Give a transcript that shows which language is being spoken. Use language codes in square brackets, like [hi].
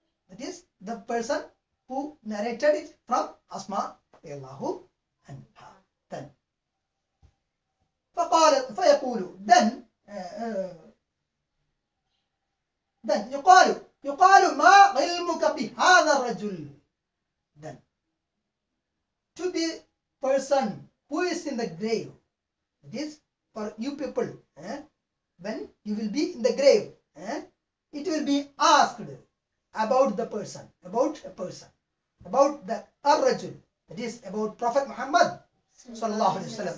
[en] That is, the person who narrated it from Asma Allahu anha. [ar] Then, فقال فيقول. Then, then يقال ما علمك بهذا الرجل. [en] Then to the person who is in the grave, it is for you people, when you will be in the grave, it will be asked about the person, about a person, about the ar-rajul, that is about Prophet Muhammad sallallahu alaihi wasallam.